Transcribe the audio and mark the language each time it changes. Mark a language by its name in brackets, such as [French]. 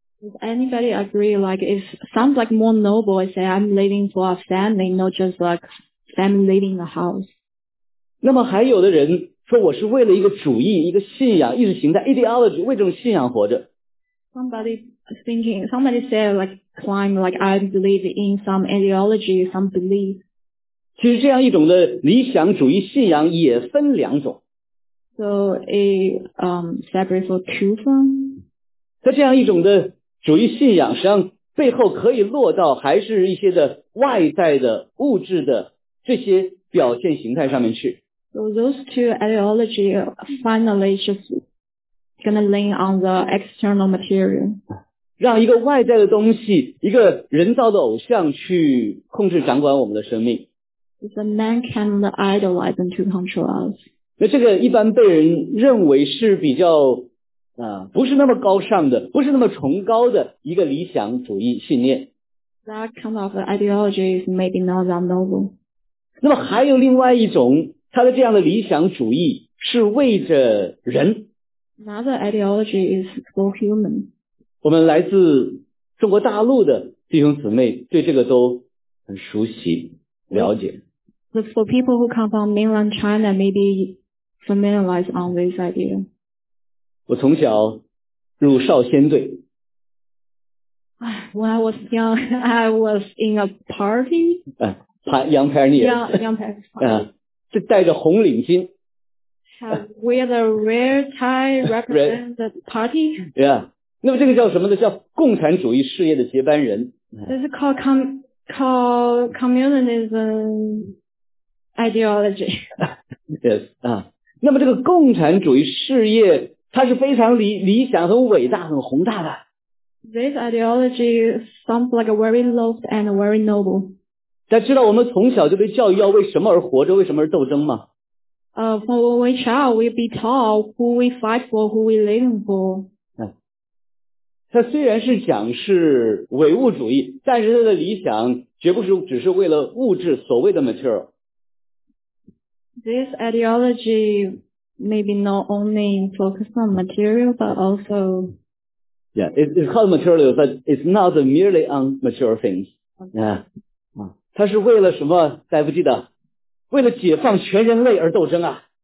[English] Does anybody agree, like, it sounds like more noble, I say, I'm living for a family, not just like, family living a house. [Chinese] 那么还有的人说我是为了一个主义一个信仰意识形态 ,ideology, 为这种信仰活着。 [English] Somebody said, like, claim, like, I believe in some ideology, some belief. [Chinese] 其实这样一种的理想主义信仰也分两种。 [English] So, separate for two from? [Chinese] 在这样一种的主义信仰实际上背后可以落到还是一些的外在的物质的这些表现形态上面去。 [English] So those two ideology finally just gonna lean on the external material. [Chinese] 让一个外在的东西一个人造的偶像去控制掌管我们的生命。 [English] The man can idolize and to control us. [Chinese] 那这个一般被人认为是比较不是那么高尚的不是那么崇高的一个理想主义信念。 [English] That kind of ideology is maybe not that noble. [Chinese] 那么还有另外一种他的这样的理想主义是为着人。 [English] Another ideology is for human. [Chinese] 我们来自中国大陆的弟兄姊妹对这个都很熟悉了解。 [English] But for people who come from mainland China, maybe familiarize on this idea. [Chinese] 我从小入少先队。 [English] When I was young, I was in a party. Young pioneer. Young pioneer. [Chinese] 是戴着红领巾。 [English] Wear the red tie represent the party. Yeah. [Chinese] 那么这个叫什么呢叫共产主义事业的接班人。 [English] This is called communism ideology. Yes. [Chinese] 那么这个共产主义事业它是非常理想很伟大很宏大的。 [English] This ideology sounds like very loved and very noble. [Chinese] 大家知道我们从小就被教育要为什么而活着为什么而斗争吗 [English] For when we child, we be taught who we fight for, who we live for. [Chinese] 它虽然是讲是唯物主义但是它的理想绝不是只是为了物质所谓的 material. [English] This ideology maybe not only focus on material, but also... Yeah, it's called material, but it's not merely on material things. Okay. Yeah. [Chinese] 它是为了什么大夫记得为了解放全人类而斗争啊。